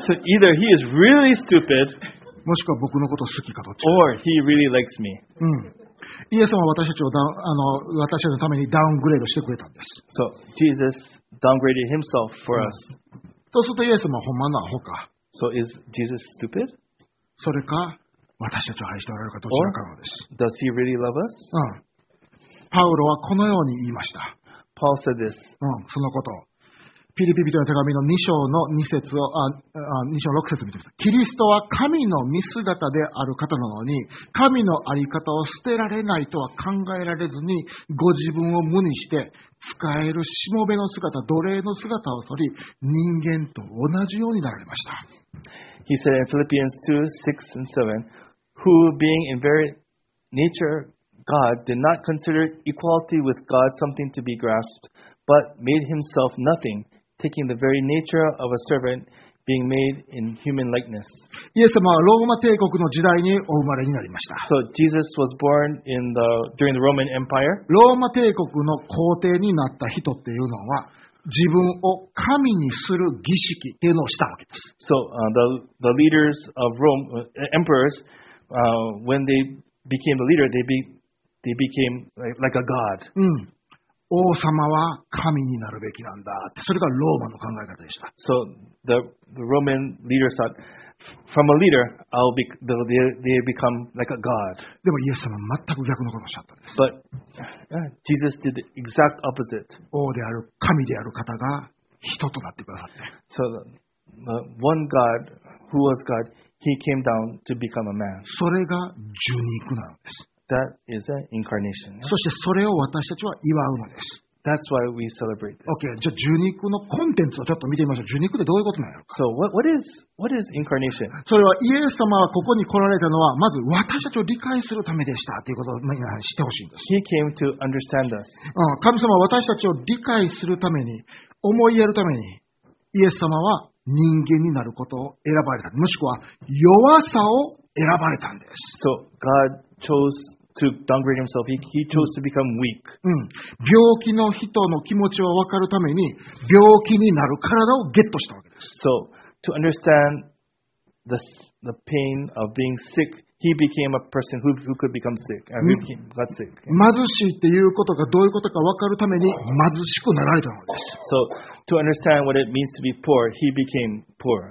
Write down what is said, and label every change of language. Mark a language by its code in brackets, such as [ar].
[en] So either he is really stupid. [ja] もしくは僕のこと好きかどっ [en] ち Or he really likes me. [ja] イエス様は私たちをのためにダウングレードしてくれたんです。 [en] So, Jesus downgraded himself for us. [ja] そうするとイエス様はほんまのアホか。 [en] So, is Jesus stupid? [ja] それか、私たちを愛しておられるかどちらかのです。 [en] Or, does he really love us? [ja] パウロはこのように言いました。 [en] Paul said this. [ja] そのこと。ピリピリとの手紙の2章の2節を、2章6節を見てください。キリストは神の見姿である方なのに、神のあり方を捨てられないとは考えられずに、ご自分を無にして、使えるしもべの姿、奴隷の姿を取り、人間と同じようになられました。 [en] He said in Philippians 2, 6 and 7, Who being in very nature God, did not consider equality with God something to be grasped, but made himself nothing. Taking the very nature of a servant, being made in human likeness. [ja] イエス様はローマ帝国の時代にお生まれになりました。 [en] So Jesus was born in the during the Roman Empire. [ja] ローマ帝国の皇帝になった人っていうのは、自分を神にする儀式っていうのをしたわけです。 [en] So the leaders of Rome, emperors, when they became the leader, they became like a god. [ja] 王様は神になるべきなんだ。それがローマの考え方でした。 [en] So the Roman leaders thought, from a leader, they become like a god. [ja] でもイエス様は全く逆のことをしたんです。 [en] But Jesus did the exact opposite. [ja] 王である神である方が人となってくださって。 [en] So the one God who was God, he came down to become a man. [ja] それが受肉なんです。 [en] That is an incarnation. [ja] そしてそれを私たちは祝うのです。 [en] That's why we celebrate this. [ja] Okay, じゃあ受肉のコンテンツをちょっと見てみましょう。受肉ってどういうことなの [en] ？So what is incarnation? [ja] それはイエス様はここに来られたのはまず私たちを理解するためでしたということを皆さん知ってほしいんです。 [en] He came to understand us. [ja] 神様は私たちを理解するために、思いやるためにイエス様は人間になることを選ばれた。もしくは弱さを選ばれたんです。 [en] So God chose to downgrade himself. He chose to become weak. [ja] 病気の人の気持ちを分かるために病気になる体をゲットしたわけです。 [en] So to understand the the pain of being sick, he became a person who could become sick, and who became, got sick. [ja] 貧しいっていうことがどういうことか分かるために貧しくなられたのです。 [en] So, to understand what it means to be poor, he became poor.